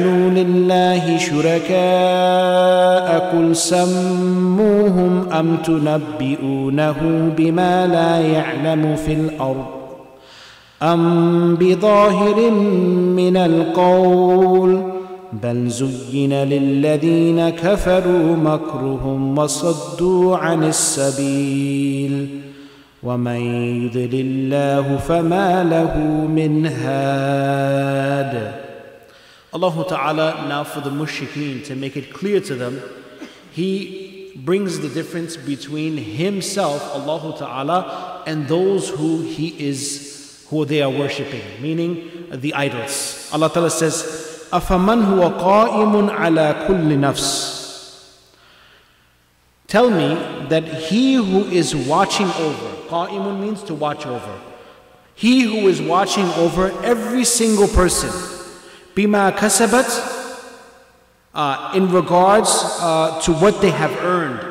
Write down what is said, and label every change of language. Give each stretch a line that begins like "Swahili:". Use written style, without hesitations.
Arabic: لِلَّهِ شُرَكَاءَ قُلْ سَمُّوهُمْ أَمْ تُنَبِّئُونَهُ بِمَا لَا يَعْلَمُ فِي الْأَرْضِ أَمْ بِظَاهِرٍ مِّنَ الْقَوْلِ بَلْ زُيِّنَ لِلَّذِينَ كَفَرُوا مَكْرُهُمْ وَصَدُّوا عَنِ السَّبِيلِ وَمَنْ يُضْلِلِ اللَّهُ فَمَا لَهُ مِنْ هَادٍ.
English: Allah Ta'ala, now for the mushrikeen, to make it clear to them, He brings the difference between Himself, Allah Ta'ala, and those who He is, who they are worshipping, meaning the idols. Allah Ta'ala says,
Arabic: أَفَمَنْ هُوَ قَائِمٌ عَلَىٰ كُلِّ نَفْسٍ.
English: Tell me that he who is watching over, قَائِمٌ means to watch over, he who is watching over every single person,
Arabic: بِمَا كَسَبَتْ,
English: in regards to what they have earned.